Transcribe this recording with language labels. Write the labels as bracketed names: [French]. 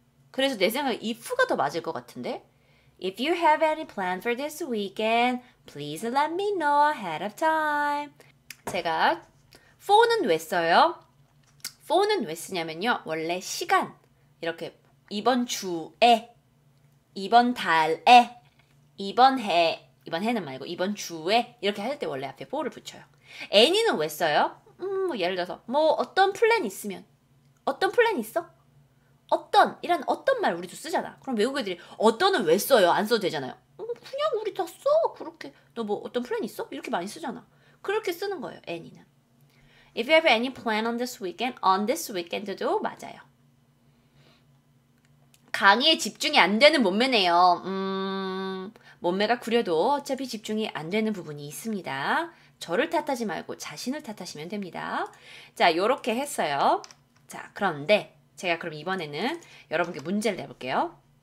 [Korean] 그래서 내 생각에 if가 더 맞을 것 같은데? [English] If you have any plan for this weekend, please let me know ahead of time. [Korean] 제가 for는 왜 써요? for는 왜 쓰냐면요. 원래 시간, 이렇게 이번 주에, 이번 달에, 이번 해, 이번 해는 말고 이번 주에 이렇게 할 때 원래 앞에 for를 붙여요. any는 왜 써요? 뭐 예를 들어서 뭐 어떤 플랜 있으면, 어떤 플랜 있어? 어떤, 이런 어떤 말 우리도 쓰잖아. 그럼 외국 애들이 어떤은 왜 써요? 안 써도 되잖아요. 그냥 우리 다 써. 그렇게 너 뭐 어떤 플랜 있어? 이렇게 많이 쓰잖아. 그렇게 쓰는 거예요, any는. [English] If you have any plan on this weekend, on this weekend도 [Korean] 맞아요. 강의에 집중이 안 되는 몸매네요. 몸매가 구려도 어차피 집중이 안 되는 부분이 있습니다. 저를 탓하지 말고 자신을 탓하시면 됩니다. 자, 요렇게 했어요. 자, 그런데 제가 그럼 이번에는 여러분께 문제를 내볼게요.